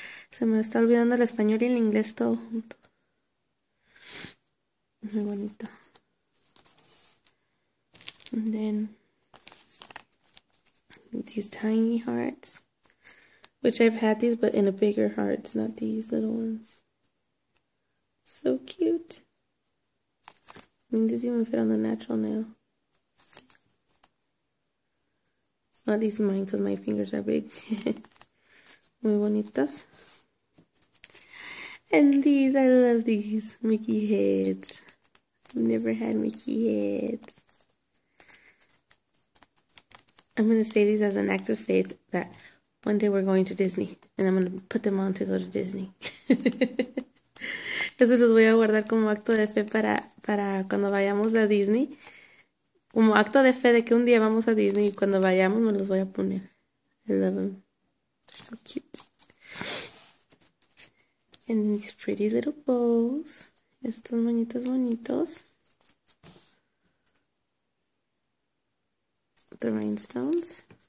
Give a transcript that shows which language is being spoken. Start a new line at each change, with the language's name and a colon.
Spanish: Se me está olvidando el español y el inglés todo junto. Muy bonito.
English: And then these tiny hearts, which I've had these, but in a bigger heart, not these little ones. So cute. I mean, these even fit on the natural nail. Well, at least mine, because my fingers are big.
Spanish: Muy bonitas.
English: And these, I love these Mickey heads. I've never had Mickey heads. I'm going to say these as an act of faith that one day we're going to Disney. And I'm going to put them on to go to Disney.
Spanish: Entonces los voy a guardar como acto de fe para cuando vayamos a Disney. Como acto de fe de que un día vamos a Disney y cuando vayamos me los voy a poner.
English: I love them. They're so cute. And these pretty little bows.
Spanish: Estos moñitos bonitos.
English: The rhinestones.